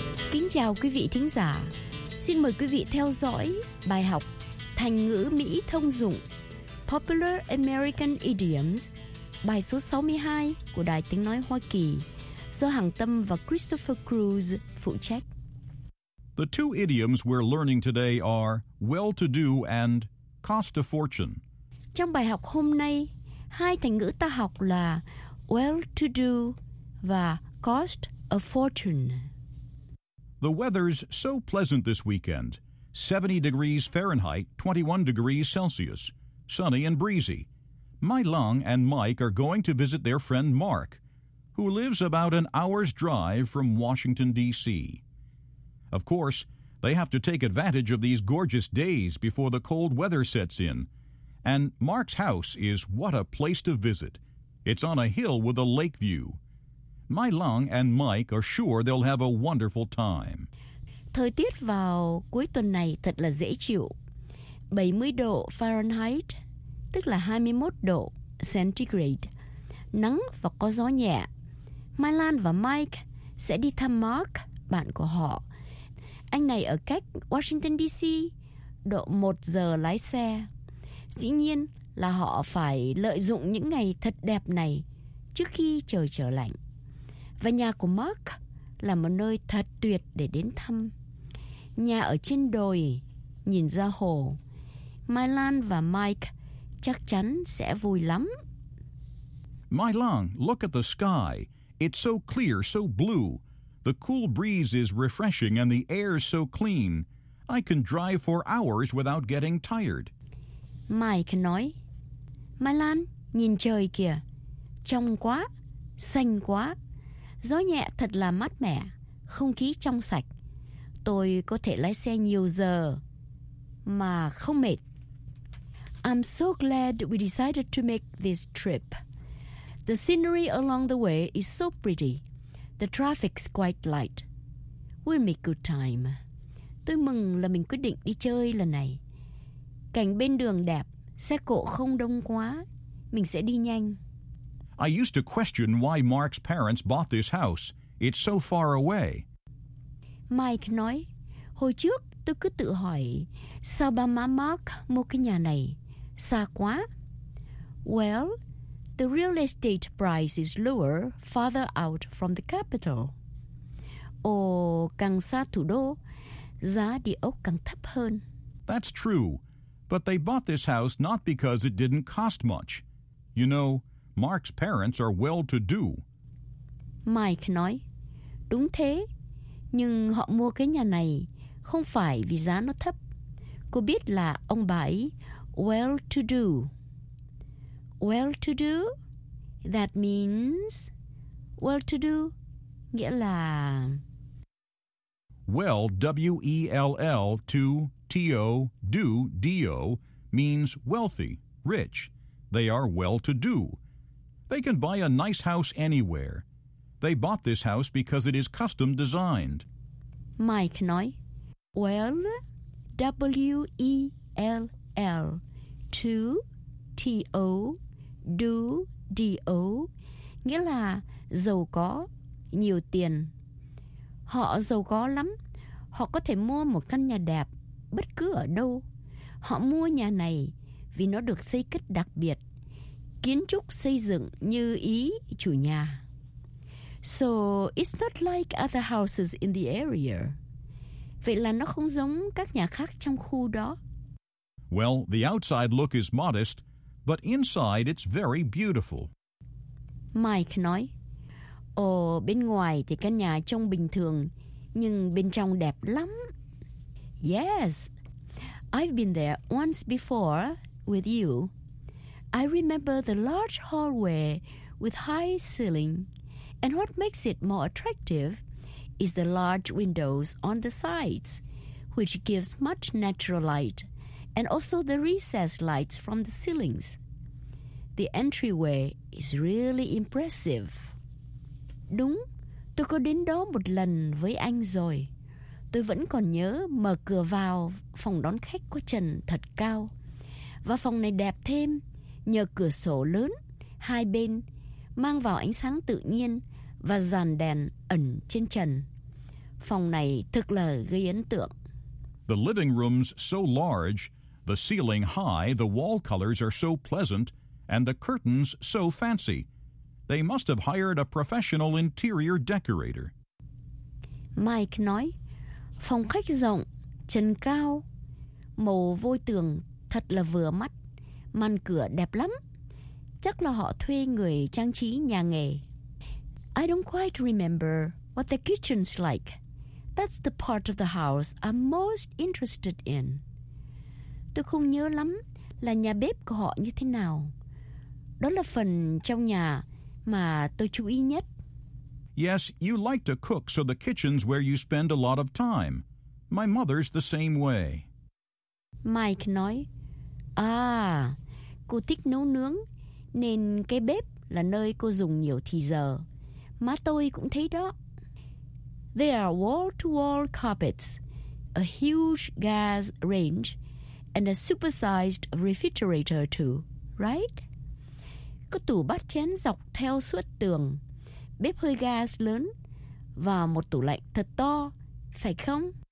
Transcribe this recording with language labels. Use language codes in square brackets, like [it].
[vi] Kính chào quý vị thính giả. Xin mời quý vị theo dõi bài học thành ngữ Mỹ thông dụng [en] Popular American Idioms, [vi] bài số 62 của Đài Tiếng Nói Hoa Kỳ do Hằng Tâm và Christopher Cruz phụ trách. [en] The two idioms we're learning today are well-to-do and cost a fortune. [vi] Trong bài học hôm nay, hai thành ngữ ta học là well-to-do và [en] cost a fortune. The weather's so pleasant this weekend. 70 degrees Fahrenheit, 21 degrees Celsius. Sunny and breezy. My Lung and Mike are going to visit their friend Mark, who lives about an hour's drive from Washington, D.C. Of course, they have to take advantage of these gorgeous days before the cold weather sets in. And Mark's house is what a place to visit. It's on a hill with a lake view. My Lung and Mike are sure they'll have a wonderful time. [vi] Thời tiết vào cuối tuần này thật là dễ chịu. 70 độ Fahrenheit, tức là 21 độ Centigrade. Nắng và có gió nhẹ. My Lung và Mike sẽ đi thăm Mark, bạn của họ. Anh này ở cách Washington DC, độ 1 giờ lái xe. Dĩ nhiên là họ phải lợi dụng những ngày thật đẹp này trước khi trời trở lạnh. Và nhà của Mark là một nơi thật tuyệt để đến thăm. Nhà ở trên đồi, nhìn ra hồ. My Lung và Mike chắc chắn sẽ vui lắm. [en] My Lung, look at the sky. It's so clear, so blue. The cool breeze is refreshing and the air is so clean. I can drive for hours without getting tired. [vi] Mike nói, My Lung, nhìn trời kìa. Trong quá, xanh quá. Gió nhẹ thật là mát mẻ, không khí trong sạch. Tôi có thể lái xe nhiều giờ mà không mệt. [en] I'm so glad we decided to make this trip. The scenery along the way is so pretty. The traffic's quite light. We'll make good time. [vi] Tôi mừng là mình quyết định đi chơi lần này. Cảnh bên đường đẹp, xe cộ không đông quá. Mình sẽ đi nhanh. [en] I used to question why Mark's parents bought this house. It's so far away. [vi] Mike nói, hồi trước tôi cứ tự hỏi, sao ba má Mark mua cái nhà này? Xa quá. [en] Well, the real estate price is lower farther out from the capital. [vi] Ồ, càng xa thủ đô, giá địa ốc càng thấp hơn. [en] That's true. But they bought this house not because it didn't cost much. You know, Mark's parents are well-to-do. [vi] Mike nói, đúng thế, nhưng họ mua cái nhà này không phải vì giá nó thấp. Cô biết là ông bà ấy well-to-do. [en] Well-to-do, that means well-to-do, [vi] nghĩa là [en] well, W-E-L-L, to T-O, do, D-O, means wealthy, rich. They are well-to-do. They can buy a nice house anywhere. They bought this house because it is custom designed. [vi] Mike nói, well, W E LL, to, T-O, do, D-O, nghĩa là giàu có, nhiều tiền. Họ giàu có lắm, họ có thể mua một căn nhà đẹp bất cứ ở đâu. Họ mua nhà này vì nó được xây cất đặc biệt, kiến trúc xây dựng như ý chủ nhà. [en] So it's not like other houses in the area. [vi] Vậy là nó không giống các nhà khác trong khu đó. [en] Well, the outside look is modest, but inside it's very beautiful. [vi] Mike nói, ồ, bên ngoài thì căn nhà trông bình thường, nhưng bên trong đẹp lắm. [en] Yes, I've been there once before with you. I remember the large hallway with high ceiling. And what makes it more attractive is the large windows on the sides, which gives much natural light, and also the recessed lights from the ceilings. The entryway is really impressive. [vi] Đúng, tôi có đến đó một lần với anh rồi. Tôi vẫn còn nhớ mở cửa vào phòng đón khách có trần thật cao. Và phòng này đẹp thêm nhờ cửa sổ lớn hai bên mang vào ánh sáng tự nhiên và dàn đèn ẩn trên trần. Phòng này thực là gây ấn tượng. [en] The living room's so large, the ceiling high, the wall colors are so pleasant, and the curtains so fancy. They must have hired a professional interior decorator. [vi] Mike nói, phòng khách rộng, trần cao, màu vôi tường thật là vừa mắt, màn cửa đẹp lắm. Chắc là họ thuê người trang trí nhà nghề. [en] I don't quite remember what the kitchen's like. That's the part of the house I'm most interested in. [vi] Tôi không nhớ lắm là nhà bếp của họ như thế nào. Đó là phần trong nhà mà tôi chú ý nhất. [en] Yes, you like to cook, so the kitchen's where you spend a lot of time. My mother's the same way. [vi] Mike nói, à, cô thích nấu nướng, nên cái bếp là nơi cô dùng nhiều thì giờ. Má tôi cũng thấy đó. [en] There are wall-to-wall carpets, a huge gas range, and a supersized refrigerator too, right? [vi] Có tủ bát chén dọc theo suốt tường, bếp hơi gas lớn, và một tủ lạnh thật to, phải không?